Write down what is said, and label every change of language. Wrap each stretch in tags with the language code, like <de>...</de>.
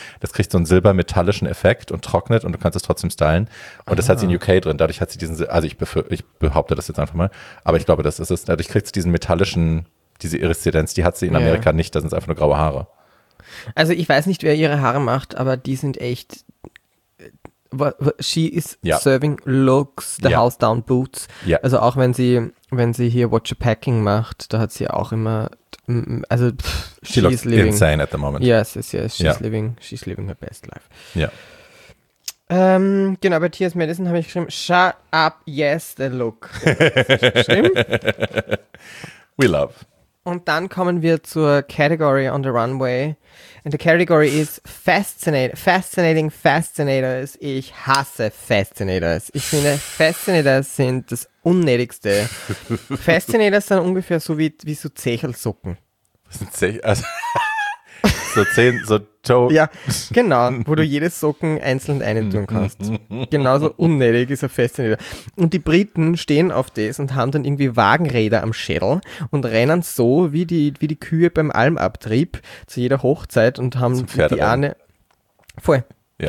<de>Das kriegt so einen silbermetallischen Effekt und trocknet und du kannst es trotzdem stylen. Und das hat sie in UK drin. Dadurch hat sie diesen, also ich behaupte das jetzt einfach mal, aber ich glaube, das ist es. Dadurch kriegst du diesen metallischen, diese Iriszidenz, die hat sie in Amerika nicht. Das sind einfach nur graue Haare. Also ich weiß nicht, wer ihre Haare macht, aber die sind echt.</de> <en>She is serving looks, the house down boots.</en> <de>Ja. Also auch wenn sie hier Watch a Packing macht, da hat sie auch immer, also</de> <en>she looks living. Insane at the moment. Yes. She's living her best life.</en> <de>Ja. Genau, bei T.S.</de> <en>Madison</en> <de>habe ich geschrieben,</de> <en>shut up, yes, the look. We love.</en> <de>Und dann kommen wir zur Category</de> <en>on the Runway. And the Category is Fascinators.</en> <de>Ich hasse Fascinators. Ich finde, Fascinators sind das Unnötigste. Fascinators sind ungefähr so wie so Zechelsocken. Was sind Zechelsocken? So zehn, so Toe. Ja, genau, wo du jedes Socken einzeln eintun kannst. Genauso unnötig ist ein Fascinator. Und die Briten stehen auf das und haben dann irgendwie Wagenräder am Schädel und rennen so wie die Kühe beim Almabtrieb zu jeder Hochzeit und haben die eine. Voll. Ja.</de>